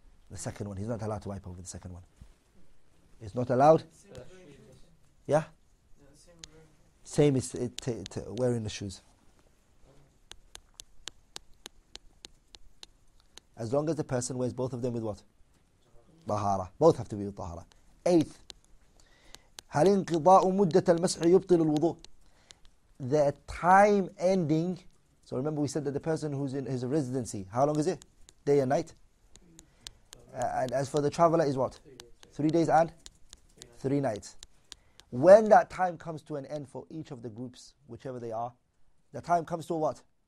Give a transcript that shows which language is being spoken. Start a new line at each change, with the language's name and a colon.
English: The second one. He's not allowed to wipe over the second one. It's not allowed? Yeah? Same as wearing the shoes. As long as the person wears both of them with what? Tahara. Both have to be with tahara. Eighth.
Arabic: هل انقضاء مدة المسح يبطل الوضوء?
English: The time ending. So remember, we said that the person who's in his residency, how long is it? Day and night. And as for the traveler, is what? 3 days and 3 nights. When that time comes to an end for each of the groups, whichever they are, the time comes to what?